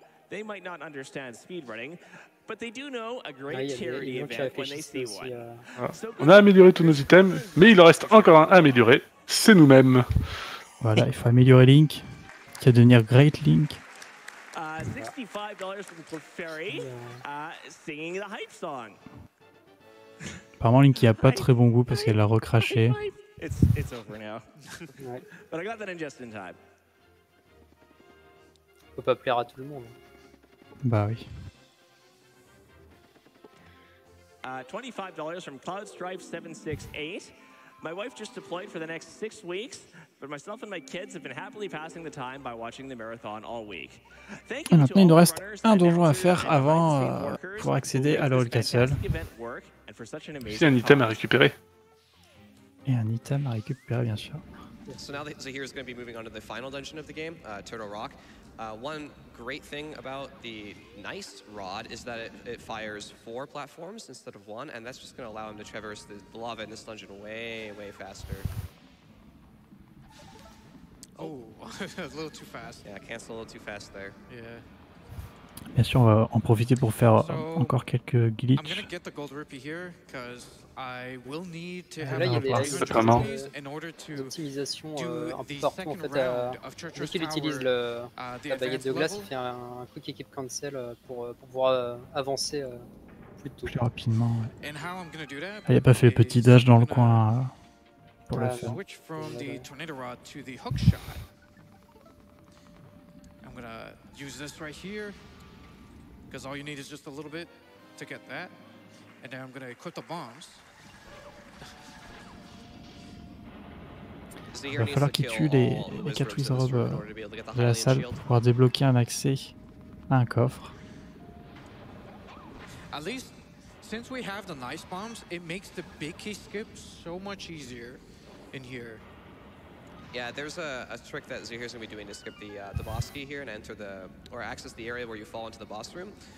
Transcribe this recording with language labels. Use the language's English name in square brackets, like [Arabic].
[English] They might not understand speedrunning, but they do know a great charity event when they see one. [French] On a amélioré tous nos items, mais il en reste encore un à améliorer, c'est nous-mêmes. Voilà, il faut améliorer Link, qui va devenir Great Link. [English] $65 from Clefairy, singing the hype song. [French] Apparemment, Link, il a pas très bon goût parce qu'elle l'a recraché. [English] It's over now. But I got that in just in time. [French] Faut pas plaire à tout le monde. Bah oui. [English] $25 from CloudStripe 768. My wife just deployed for the next 6 weeks, but myself and my kids have been happily passing the time by watching the marathon all week. Thank you. [French] Maintenant, il nous reste un donjon à faire avant pour accéder à l'Old Castle. C'est un item à récupérer. Et un item à récupérer, bien sûr. [English] So now the Zaheer is going to be moving on to the final dungeon of the game, Turtle Rock. One great thing about the nice rod is that it fires four platforms instead of one, and that's just going to allow him to traverse the lava in this dungeon way, way faster. Oh, a little too fast. Yeah, cancel a little too fast there. Yeah. [French] Bien sûr, on va en profiter pour faire encore quelques glitches. [English] I'm going to get the gold rupee here, because I will need to have the opportunities in order to optimization the second round of Treacherous Tower. [French] Utilise le la baguette de glace, il fait un quick equip cancel pour pouvoir avancer plus rapidement. Il a pas fait le petit dash dans le coin pour le faire. [English] Switch from the tornado rod to the hook shot. I'm gonna use this right here because all you need is just a little bit to get that, and then I'm gonna equip the bombs. [French] Il va falloir qu'il tue les 4 wizards de la salle pour pouvoir débloquer un accès à un coffre. [English] At least, since we have the nice bombs, it makes the big key skip so much easier in here. Yeah, there's a trick that Zaheer's gonna be doing to skip the boss key here and enter the or access the area where you fall into the boss room.